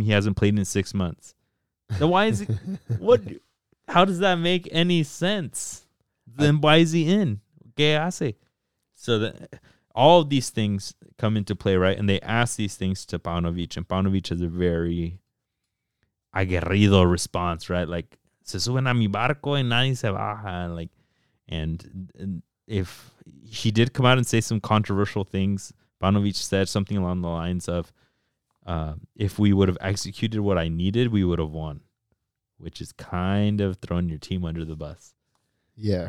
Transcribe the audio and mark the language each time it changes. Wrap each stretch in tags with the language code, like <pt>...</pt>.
<en>He hasn't played in 6 months. So why is he, how does that make any sense? Then why is he in?</en> <es>¿Qué hace?</es> <en>So all of these things come into play, right? And they ask these things to Paunovic, and Paunovic has a very aguerrido response, right? Like,</en> <es>se suben a mi barco y nadie se baja.</es> <en>Like, and if he did come out and say some controversial things, Paunovic said something along the lines of, if we would have executed what I needed, we would have won, which is kind of throwing your team under the bus. Yeah.</en>